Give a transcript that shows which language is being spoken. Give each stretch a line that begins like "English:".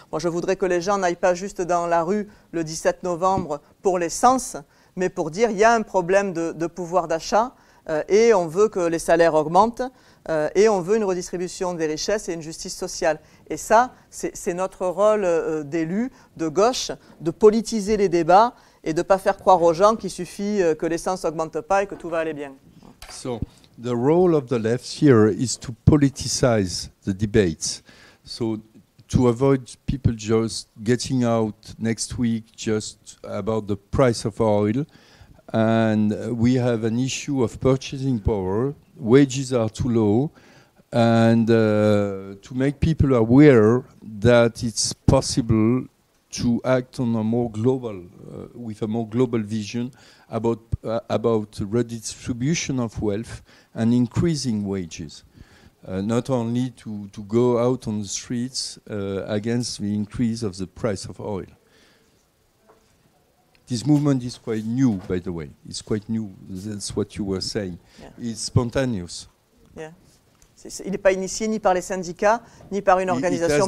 French: Moi, je voudrais que les gens n'aillent pas juste dans la rue le 17 novembre pour l'essence, mais pour dire il y a un problème de pouvoir d'achat et on veut que les salaires augmentent et on veut une redistribution des richesses et une justice sociale. Et ça, c'est notre rôle d'élus de gauche, de politiser les débats et de ne pas faire croire aux gens qu'il suffit que l'essence n'augmente pas et que tout va aller bien.
English: So, the role of the left here is to politicize the debates. So, to avoid people just getting out next week just about the price of oil, and we have an issue of purchasing power, wages are too low, and to make people aware that it's possible to act on a more global, with a more global vision about redistribution of wealth and increasing wages. Not only to go out on the streets against the increase of the price of oil. This movement is quite new, by the way. It's quite new, that's what you were saying. Yeah. It's spontaneous. Yeah.
French: Il n'est pas initié ni par les syndicats, ni par une organisation